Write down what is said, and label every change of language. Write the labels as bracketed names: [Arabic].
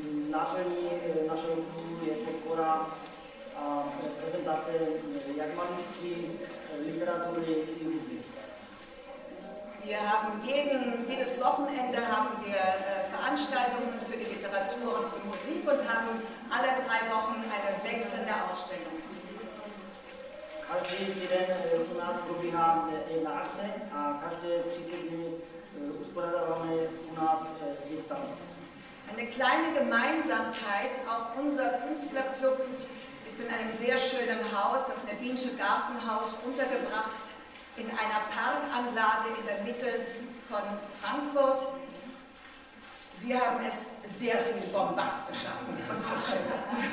[Czech] Náplní našeho klubu je podpora a prezentace jak malířství, literatury i hudby. [German] Wir haben jedes Wochenende haben wir Veranstaltungen für die Literatur und die Musik und haben alle drei Wochen eine wechselnde Ausstellung. [Czech] Každý týden u nás probíhá jedna akce a každé tři týdny uspořádáváme u nás výstavu. [German] Eine kleine Gemeinsamkeit, auch unser Künstlerclub ist in einem sehr schönen Haus, das Nervinsche Gartenhaus, untergebracht in einer Parkanlage in der Mitte von Frankfurt. Sie haben es sehr viel bombastischer und verschöner.